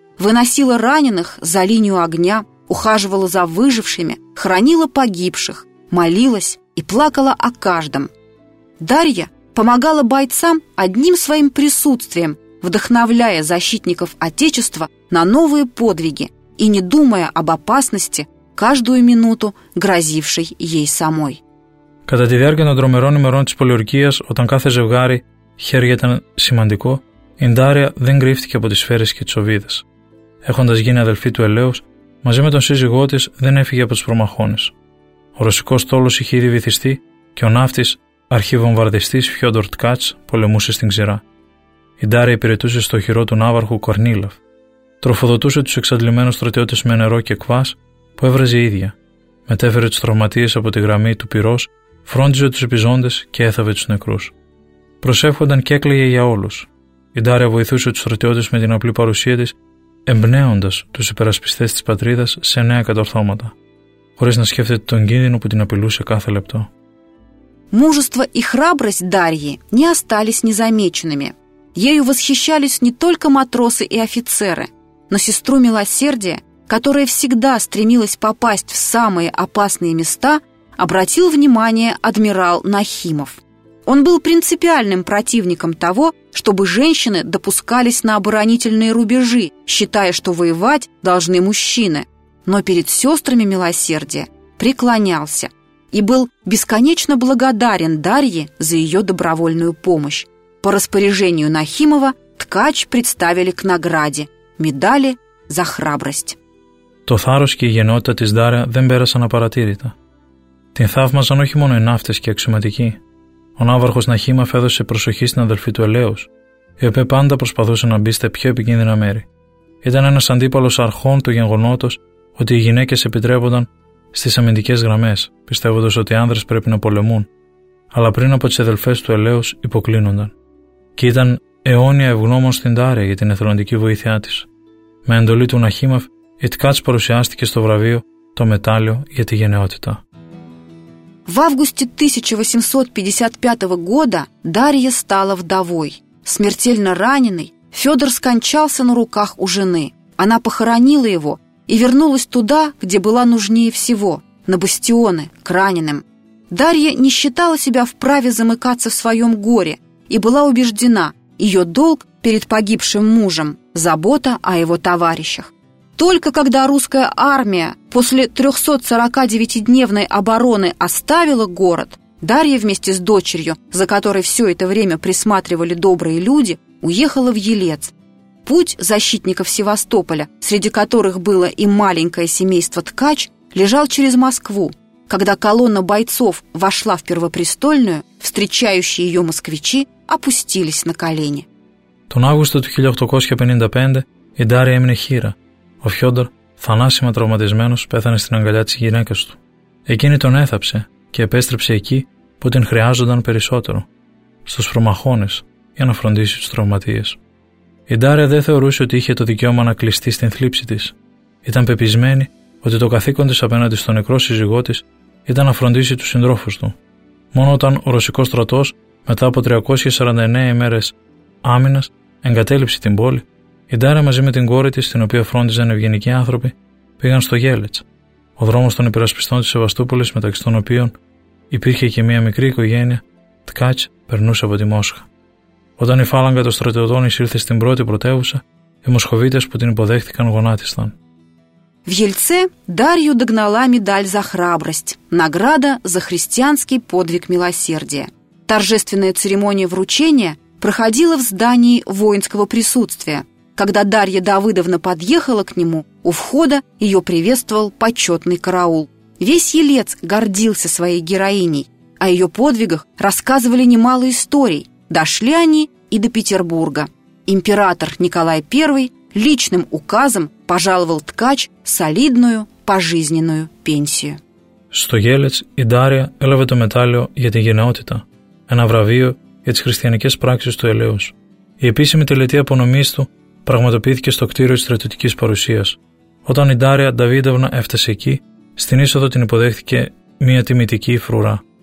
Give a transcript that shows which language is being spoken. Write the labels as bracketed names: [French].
[Russian] Выносила раненых за линию огня, ухаживала за выжившими, хранила погибших, молилась и плакала о каждом. Дарья помогала бойцам одним своим присутствием, вдохновляя защитников Отечества на новые подвиги и не думая об опасности, каждую минуту грозившей ей самой. [Greek] Κατά τη διάρκεια των τρομερών ημερών της πολιορκίας, όταν κάθε ζευγάρι χέρι ήταν σημαντικό, η Ντάρια δεν κρύφτηκε από τις σφαίρες και τις οβίδες. Έχοντας γίνει αδελφή του Ελέους, μαζί με τον σύζυγό της δεν έφυγε από τους προμαχώνες. Ο ρωσικός στόλος είχε ήδη βυθιστεί και ο ναύτης, αρχιβομβαρδιστής Φιόντορ Τκάτς, πολεμούσε στην ξηρά. Η Ντάρια υπηρετούσε στο χειρό του ναύαρχου Κορνίλαφ. Τροφοδοτούσε τους εξαντλημένους στρατιώτες με νερό και κβάς που έβραζε η ίδια. Μετέφερε τους τραυματίες από τη γραμμή του πυρός, φρόντιζε τους επιζώντες και έθαβε τους νεκρούς. Προσεύχονταν και έκλαιγε για όλους. Η Ντάρια βοηθούσε τους στρατιώτες με την απλή παρουσία της, εμπνέοντας τους υπερασπιστές της πατρίδας σε νέα κατορθώματα, χωρίς να σκέφτεται τον κίνδυνο που την απειλούσε κάθε λεπτό. [Russian] Мужество и храбрость Дарьи не остались незамеченными. Ею восхищались не только матросы и офицеры, но сестру милосердия, которая всегда стремилась попасть в самые опасные места, обратил внимание адмирал Нахимов. Он был принципиальным противником того, чтобы женщины допускались на оборонительные рубежи, считая, что воевать должны мужчины, но перед сестрами милосердия преклонялся и был бесконечно благодарен Дарье за ее добровольную помощь. По распоряжению Нахимова Ткач представили к награде медали за храбрость. [Greek] То thárος και η γενότητα της Ντάρια δεν πέρασαν απαρατήρητα. Την θαύμαζαν όχι μόνο οι ναύτες και αξιωματικοί. Ο ναύαρχος Ναχίμαφ έδωσε προσοχή στην αδελφή του Ελέους, η οποία πάντα προσπαθούσε να μπει στα πιο επικίνδυνα μέρη. Ήταν ένας αντίπαλος αρχών του γεγονότος ότι οι γυναίκες επιτρέπονταν στις αμυντικές γραμμές, πιστεύοντας ότι οι άνδρες πρέπει να πολεμούν, αλλά πριν από τις αδελφές του Ελέους υποκλίνονταν. Και ήταν αιώνια ευγνώμων στην Ντάρια για την εθελοντική βοήθειά της. Με εντολή του Ναχίμαφ, η Ντάρια παρουσιάστηκε στο βραβείο το μετάλλιο για τη γενναιότητα. [Russian] В августе 1855 года Дарья стала вдовой. Смертельно раненый, Федор скончался на руках у жены. Она похоронила его и вернулась туда, где была нужнее всего, на бастионы, к раненым. Дарья не считала себя вправе замыкаться в своем горе и была убеждена, ее долг перед погибшим мужем – забота о его товарищах. Только когда русская армия после 349-дневной обороны оставила город, Дарья вместе с дочерью, за которой все это время присматривали добрые люди, уехала в Елец. Путь защитников Севастополя, среди которых было и маленькое семейство Ткач, лежал через Москву. Когда колонна бойцов вошла в Первопрестольную, встречающие ее москвичи опустились на колени. [Greek] Тон августа 1855 и Дарья имени Хира. Ο Φιόντορ, θανάσιμα τραυματισμένος, πέθανε στην αγκαλιά της γυναίκας του. Εκείνη τον έθαψε και επέστρεψε εκεί που την χρειάζονταν περισσότερο, στους προμαχώνες, για να φροντίσει τους τραυματίες. Η Ντάρια δεν θεωρούσε ότι είχε το δικαίωμα να κλειστεί στην θλίψη της. Ήταν πεπισμένη ότι το καθήκον της απέναντι στον νεκρό σύζυγό της ήταν να φροντίσει τους συντρόφους του. Μόνο όταν ο ρωσικός στρατός, μετά από 349 ημέρες άμυνας, εγκατέλειψε την πόλη, η Ντάρια μαζί με την κόρη της, την οποία φρόντιζαν ευγενικοί άνθρωποι, πήγαν στο Γέλετς, ο δρόμος των υπερασπιστών της Σεβαστούπολης, μεταξύ των οποίων υπήρχε και μια μικρή οικογένεια, Ντκάτς, περνούσε από τη Μόσχα. Όταν η φάλαγγα των στρατιωτών εισήλθε στην πρώτη πρωτεύουσα, οι Μοσχοβίτες που την υποδέχτηκαν γονάτισαν. [Russian] В Ельце Дарью догнала медаль за храбрость, награда за христианский подвиг милосердия. Торжественная церемония вручения проходила в здании воинского присутствия. Когда Дарья Давыдовна подъехала к нему, у входа ее приветствовал почетный караул. Весь Елец гордился своей героиней. О ее подвигах рассказывали немало историй. Дошли они и до Петербурга. Император Николай I личным указом пожаловал ткач солидную пожизненную пенсию. [Greek] Στο Γέλετς η Ντάρια έλαβε το μετάλλιο για τη γενναιότητα, ένα βραβείο για τις χριστιανικές πράξεις του Ελέους. Η επίσημη τελετή απονομής του πραγματοποιήθηκε στο κτίριο της στρατιωτικής παρουσίας. Όταν η Ντάρια Νταβίδευνα έφτασε εκεί, στην είσοδο την υποδέχτηκε μια τιμητική φρουρά.